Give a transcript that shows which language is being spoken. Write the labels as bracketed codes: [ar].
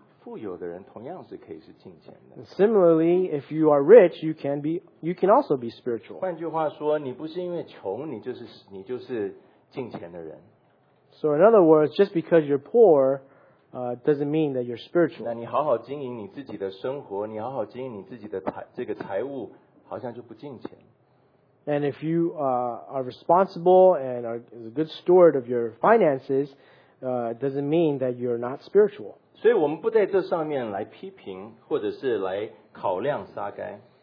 [zh] 富有的人同样是可以是敬虔的。 [en] Similarly, if you are rich, you can also be spiritual. [zh] 换句话说，你不是因为穷，你就是敬虔的人。 [en] So in other words, just because you're poor,doesn't mean that you're spiritual. [zh] 那你好好经营你自己的生活，你好好经营你自己的这个财务，好像就不敬虔。 [en] And if you are responsible and are a good steward of your finances, doesn't mean that you're not spiritual. [zh] 所以我们不在这上面来批评或者是来考量撒该。